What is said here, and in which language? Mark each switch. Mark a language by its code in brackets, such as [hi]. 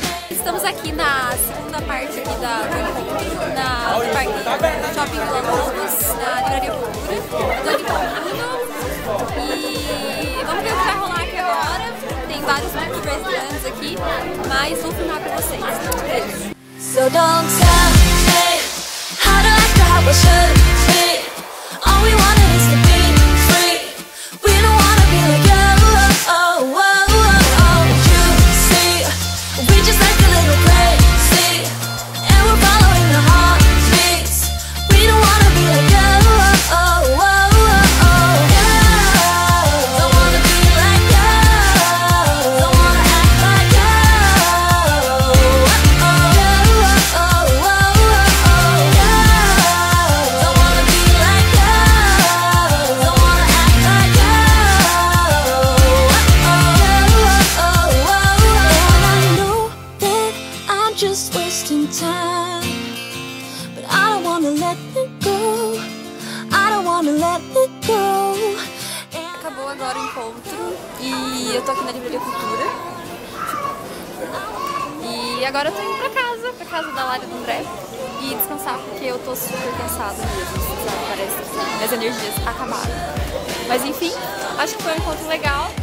[pt] Estamos aqui na segunda parte aqui da na parte do shopping Globos, na livraria Cultura. Eu tô aqui com o Bruno e vamos ver o que vai rolar aqui agora. Tem vários booktubers grandes aqui, mas vou filmar pra vocês. [en] So don't tell me how to act or how I should be. All we wanted is to be free. We don't wanna be like you. Oh, oh, oh, oh, oh. You see, we just like a little crazy, and we're following the heartbeats. We don't wanna be like you. Oh, oh, oh, oh, oh. You don't wanna be like you. Don't wanna act like you. Oh, oh, oh, oh, oh, oh, oh. You don't wanna be like you. Don't wanna act like you. Oh, oh, oh, oh, oh, oh, oh. And I know that I'm just wasting time, but I don't wanna let it go. I don't wanna let it go. [pt] Acabou agora o encontro e eu tô aqui na Livraria Cultura. E agora eu tô indo pra casa da Lara e do André. E descansar, porque eu tô super cansada mesmo, sabe? Parece que minhas energias acabaram. Mas enfim, acho que foi um encontro legal.